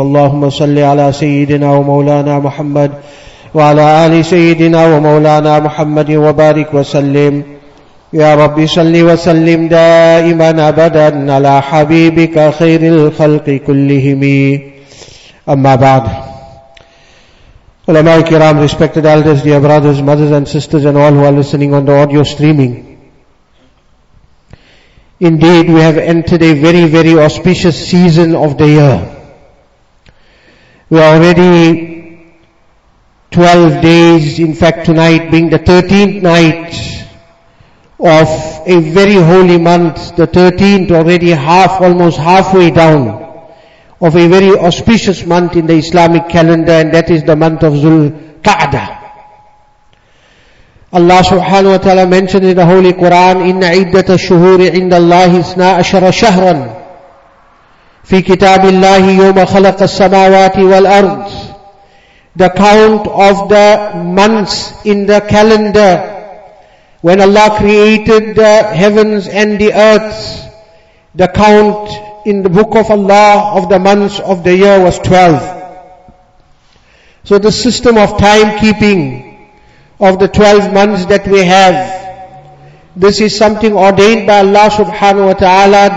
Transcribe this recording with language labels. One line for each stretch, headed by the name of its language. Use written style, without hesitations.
Arabic: اللهم صل على سيدنا ومولانا محمد وعلى آل سيدنا ومولانا محمد وبارك وسلم. يا رب صل وسلم دائما ابدا على حبيبك خير الخلق كلهم. اما بعد،
English: Ulama-i Kiram, respected elders, dear brothers, mothers and sisters, and all who are listening on the audio streaming. Indeed, we have entered a very, very auspicious season of the year. We are already 12 days, in fact tonight being the 13th night of a very holy month, the 13th, already almost halfway down of a very auspicious month in the Islamic calendar, and that is the month of Zulqa'dah. Allah subhanahu wa ta'ala mentioned in the Holy Quran,
Arabic: إِنَّ عِدَّةَ الشُّهُورِ عِنْدَ اللَّهِ 12 شَهْرًا فِي كِتَابِ اللَّهِ يَوْمَ خَلَقَ السَّمَاوَاتِ وَالْأَرْضِ.
English: The count of the months in the calendar when Allah created the heavens and the earth, the count in the book of Allah of the months of the year was 12. So the system of timekeeping of the 12 months that we have, this is something ordained by Allah subhanahu wa ta'ala.